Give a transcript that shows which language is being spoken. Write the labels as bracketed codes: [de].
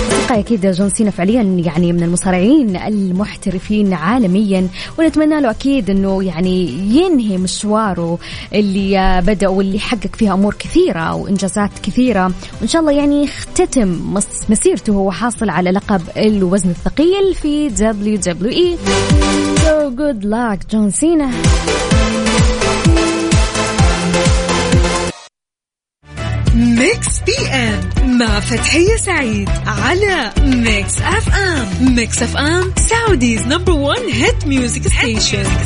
[ar] أكيد جون سينا فعليا يعني من المصارعين المحترفين عالميا، ونتمنى له أكيد أنه يعني ينهي مشواره اللي بدأ واللي حقق فيها أمور كثيرة وإنجازات كثيرة، وإن شاء الله يعني يختتم مسيرته وحاصل على لقب الوزن الثقيل في WWE. [en] So good luck John Cena. [ar] ميكس بي ام مع فتحية سعيد على ميكس اف ام. [en] Mix F M Saudi's number one hit music station.